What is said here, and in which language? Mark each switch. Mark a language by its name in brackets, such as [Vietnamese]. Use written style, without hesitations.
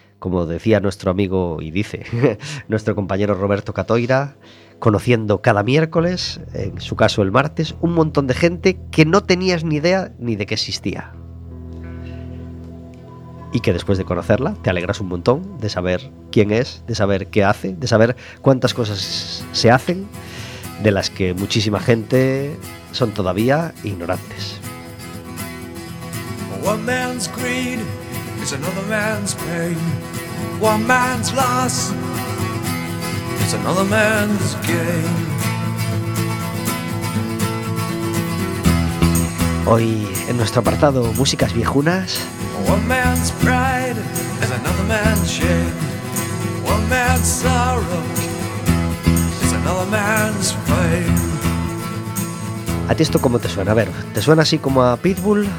[Spanish] Como decía nuestro amigo y dice nuestro compañero Roberto Catoira, conociendo cada miércoles, en su caso el martes, un montón de gente que no tenías ni idea ni de que existía. Y que después de conocerla, te alegras un montón de saber quién es, de saber qué hace, de saber cuántas cosas se hacen, de las que muchísima gente son todavía ignorantes. [English] One man's greed is another man's pain. One man's loss is another man's gain. [Spanish] Hoy en nuestro apartado Músicas Viejunas, [English] one man's pride is another man's shame. One man's sorrow is another man's fame. [Spanish] ¿A ti esto cómo te suena? A ver, ¿te suena así como a Pitbull?